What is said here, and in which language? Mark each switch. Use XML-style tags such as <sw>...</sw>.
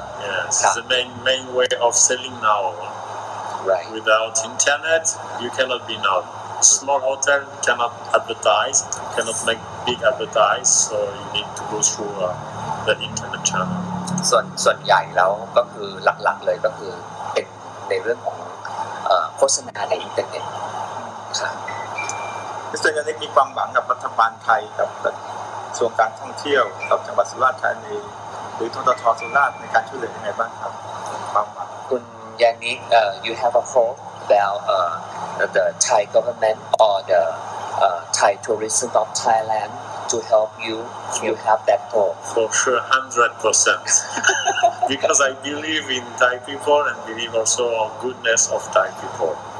<en>Yes, it's the main way of selling now. Right. Without internet, you cannot be now. Small hotel cannot advertise, cannot make big advertise. So you need to go through the internet channel.</en> <th>ส่วนใหญ่แล้วก็คือหลักๆเลยก็คือเป็นในเรื่องของโฆษณาในอินเทอร์เน็ต ครับส่วนใหญ่มีความหวังกับรัฐบาลไทยกับกระทรวงการท่องเที่ยวกับจังหวัดสุราษฎร์ธานีหรือททท.สุราษฎร์ในการช่วยเหลือยังไงบ้างครับความหวัง</th> <en>คุณยานิค you have a hope about the Thai government or the Thai tourism of Thailand to help you you have that hope for sure 100% because I believe in Thai people and believe also on goodness of Thai people</en>